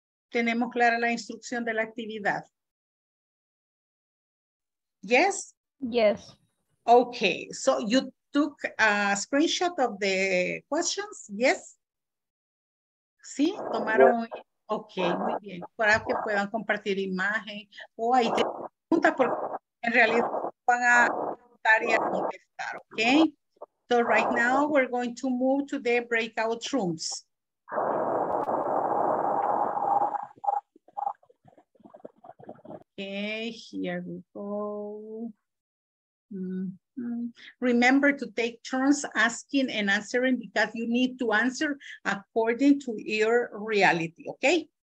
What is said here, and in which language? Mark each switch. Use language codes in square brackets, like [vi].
[es] ¿Tenemos clara la instrucción de la actividad? [en] Yes? Yes. Okay, so you took a screenshot of the questions, yes? [es] ¿Sí? ¿Tomaron? Yeah. Ok, muy bien. Para que puedan compartir imagen o ahí te preguntas porque en realidad van a preguntar y a contestar, ok? [en] So right now we're going to move to the breakout rooms. Ok, here we go. Remember to take turns asking and answering because you need to answer according to your reality, okay?